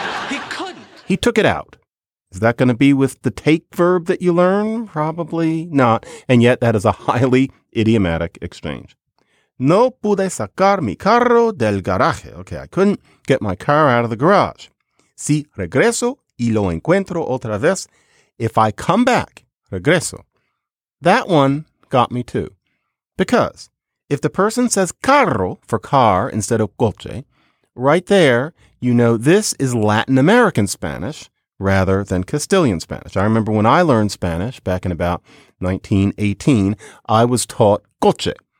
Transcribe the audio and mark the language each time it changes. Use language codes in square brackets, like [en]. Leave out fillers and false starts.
[en] He couldn't. He took it out. Is that going to be with the take verb that you learn? Probably not. And yet that is a highly idiomatic exchange. No pude sacar mi carro del garaje. Okay, I couldn't get my car out of the garage. [es] Si regreso y lo encuentro otra vez. [en] If I come back, regreso. That one got me too. Because if the person says carro for car instead of coche, right there, you know this is Latin American Spanish rather than Castilian Spanish. I remember when I learned Spanish back in about 1918, I was taught coche.